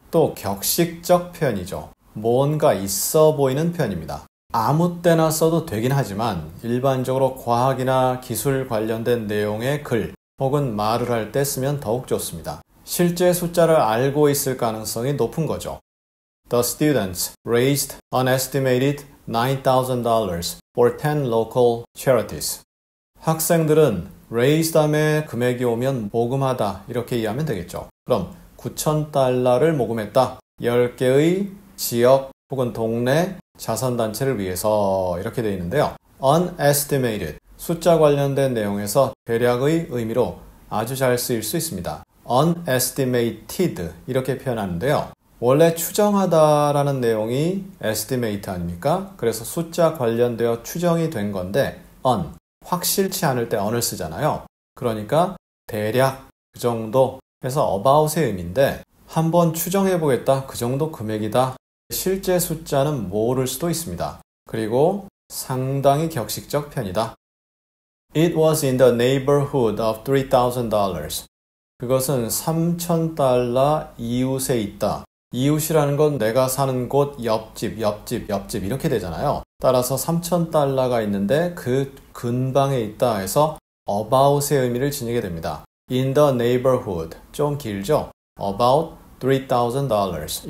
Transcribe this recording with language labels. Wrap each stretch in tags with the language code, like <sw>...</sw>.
<ko>또 격식적 표현이죠. 뭔가 있어 보이는 표현입니다. 아무 때나 써도 되긴 하지만 일반적으로 과학이나 기술 관련된 내용의 글 혹은 말을 할때 쓰면 더욱 좋습니다. 실제 숫자를 알고 있을 가능성이 높은 거죠.</ko> <en>The students raised an estimated $9,000 for 10 local charities.</en> <ko>학생들은 raised 다음에 금액이 오면 모금하다 이렇게 이해하면 되겠죠. 그럼 9,000달러를 모금했다. 10개의 지역 혹은 동네 자선단체를 위해서 이렇게 되어 있는데요.</ko> <en>Unestimated.</en> <ko>숫자 관련된 내용에서 대략의 의미로 아주 잘 쓰일 수 있습니다. Unestimated. 이렇게 표현하는데요. 원래 추정하다라는 내용이 estimate 아닙니까? 그래서 숫자 관련되어 추정이 된 건데, un. 확실치 않을 때 un을 쓰잖아요. 그러니까 대략 그 정도. 그래서 about의 의미인데 한번 추정해 보겠다. 그 정도 금액이다. 실제 숫자는 모를 수도 있습니다. 그리고 상당히 격식적 편이다.</ko> <en>It was in the neighborhood of $3,000.</en> <ko>그것은 3,000달러 이웃에 있다. 이웃이라는 건 내가 사는 곳 옆집, 옆집, 옆집 이렇게 되잖아요. 따라서 3,000달러가 있는데 그 근방에 있다 해서 about의 의미를 지니게 됩니다.</ko> <en>In the neighborhood.</en> <ko>좀 길죠?</ko> <en>About $3,000.</en>